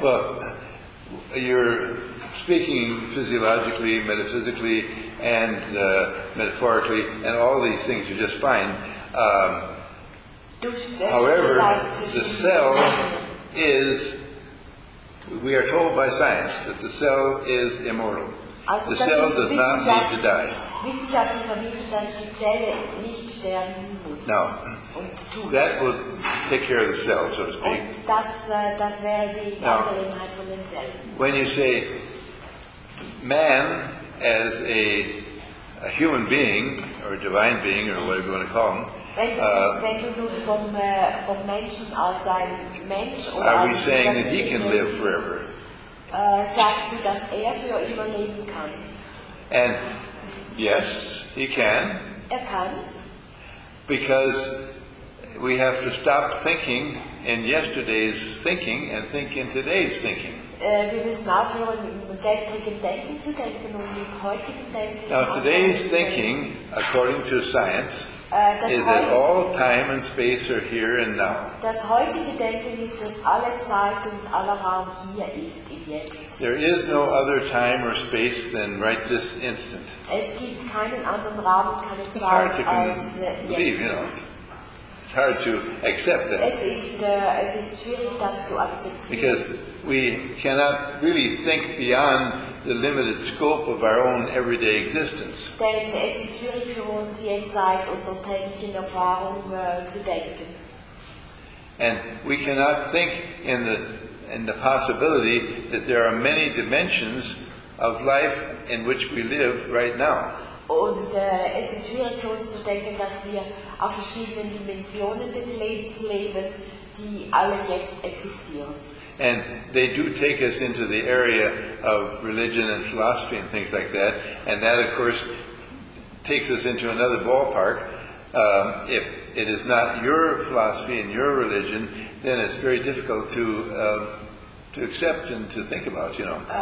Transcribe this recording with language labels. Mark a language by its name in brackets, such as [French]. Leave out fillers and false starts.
[English] Well, you're speaking physiologically, metaphysically, and metaphorically, and all these things are just fine. However, the cell is. We are told by science that the cell is immortal. [German] Also [English] the cell does not need to die. [German] Wissenschaftler wissen, dass die Zelle nicht sterben muss. [English] No. [German] Und tut. [English] That would take care of the cell, so to speak. [German] Und das wäre die Angelegenheit von den Zellen. [English] When you say man as a human being, or a divine being, or whatever you want to call him, are we saying that he can live forever? [German] Sagst du, dass für immer leben kann? [English] And yes, he can. [German] Er kann. [English] Because we have to stop thinking in yesterday's thinking and think in today's thinking. [German] Wir müssen aufhören, gestrigen Denken zu denken und im heutigen Denken. [English] Now today's thinking, according to science, is that all time and space are here and now. [German] Das heutige Denken ist, dass alle Zeit und aller Raum hier ist, im Jetzt. [English] There is no other time or space than right this instant. [German] Es gibt keinen anderen Raum, keine Zeit als jetzt. [English] It's hard to believe, you know. It's hard to accept that. [German] Es ist schwierig, das zu akzeptieren. [English] Because we cannot really think beyond the limited scope of our own everyday existence. [German] Denn es ist schwierig für uns jenseit unserer täglichen Erfahrung zu denken. [English] And we cannot think in the possibility that there are many dimensions of life in which we live right now. [German] Und es ist schwierig für uns zu denken, dass wir auf verschiedenen Dimensionen des Lebens leben, die alle jetzt existieren. [English] And they do take us into the area of religion and philosophy and things like that, and that of course takes us into another ballpark. If it is not your philosophy and your religion, then it's very difficult to accept and to think about, you know.